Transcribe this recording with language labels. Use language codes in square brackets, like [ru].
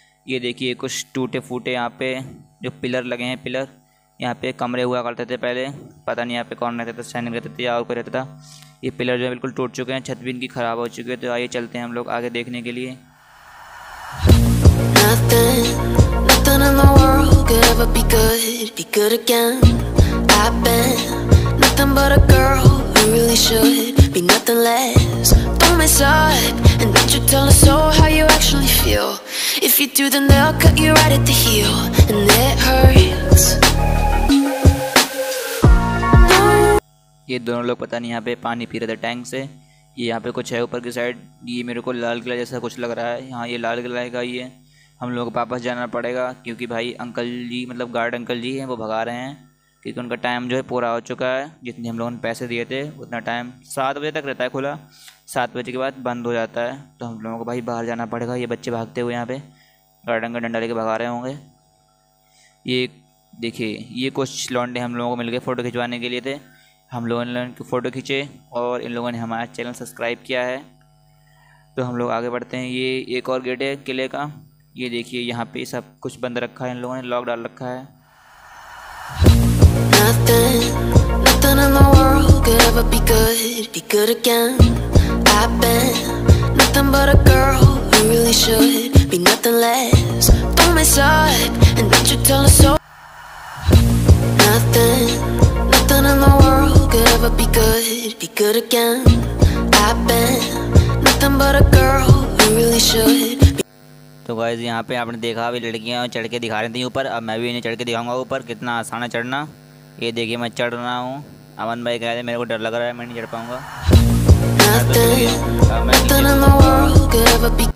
[hi] ये देखिए कुछ टूटे फूटे यहाँ पे जो पिलर लगे हैं, पिलर यहाँ पे कमरे हुआ करते थे पहले, पता नहीं यहाँ पे कौन रहता था, सैनिक रहते थे या और कोई रहता था। ये पिलर जो है बिल्कुल टूट चुके हैं, छत भी इनकी ख़राब हो चुकी है। तो आइए चलते हैं हम लोग आगे देखने के लिए। [en] Really should be nothing less. Don't mess up, and don't you tell us all how you actually feel. If you do, then they'll cut you right at the heel, and it hurts. [hi] ये दोनों लोग पता नहीं यहाँ पे पानी P रहे थे टैंक से। ये यहाँ पे कुछ है ऊपर की साइड, ये मेरे को लाल किला जैसा कुछ लग रहा है। यहाँ ये लाल किला का ही है, हम लोग वापस जाना पड़ेगा क्योंकि भाई अंकल जी मतलब गार्ड अंकल जी हैं वो भगा रहे हैं, क्योंकि उनका टाइम जो है पूरा हो चुका है। जितने हम लोगों ने पैसे दिए थे उतना टाइम 7 बजे तक रहता है खुला, 7 बजे के बाद बंद हो जाता है। तो हम लोगों को भाई बाहर जाना पड़ेगा। ये बच्चे भागते हुए यहाँ पे गार्डन का डंडा लेके भगा रहे होंगे। ये देखिए ये कुछ लौंडे हम लोगों को मिल गए फ़ोटो खिंचवाने के लिए थे, हम लोगों ने इनकी फ़ोटो खींचे और इन लोगों ने हमारा चैनल सब्सक्राइब किया है। तो हम लोग आगे बढ़ते हैं। ये एक और गेट है किले का, ये देखिए यहाँ पे सब कुछ बंद रखा है, इन लोगों ने लॉक डाल रखा है। [en] Nothing in the world could ever be good again. I've been nothing but a girl who really should be nothing less. Don't mess up, and don't you tell us so. Nothing in the world could ever be good again. I've been nothing but a girl who really should be. [hi] तो guys यहाँ पे आपने देखा अभी लड़कियाँ चढ़ के दिखा रही थी ऊपर, अब मैं भी इन्हें चढ़ के दिखाऊंगा ऊपर कितना आसान है चढ़ना। ये देखिए मैं चढ़ रहा हूँ, अमन भाई कह रहे मेरे को डर लग रहा है मैं नहीं चढ़ पाऊँगा।